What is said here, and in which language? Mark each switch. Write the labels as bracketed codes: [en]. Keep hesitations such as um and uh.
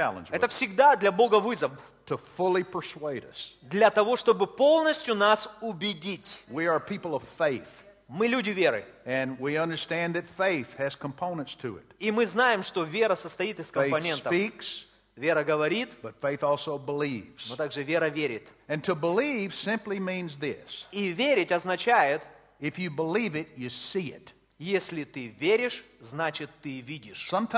[ru] Это всегда для Бога вызов. [en] To fully persuade us. [ru] Для того, чтобы полностью нас убедить. Мы люди веры. [en] And we understand that faith has components to it. [ru] И мы знаем, что вера состоит из компонентов. [en] Faith speaks, [ru] вера говорит, [en] but faith also believes. [ru] но также вера верит. [en] And to believe simply means this. [ru] И верить означает, [en] If you believe it, you see it. [ru] Если ты веришь, значит ты видишь.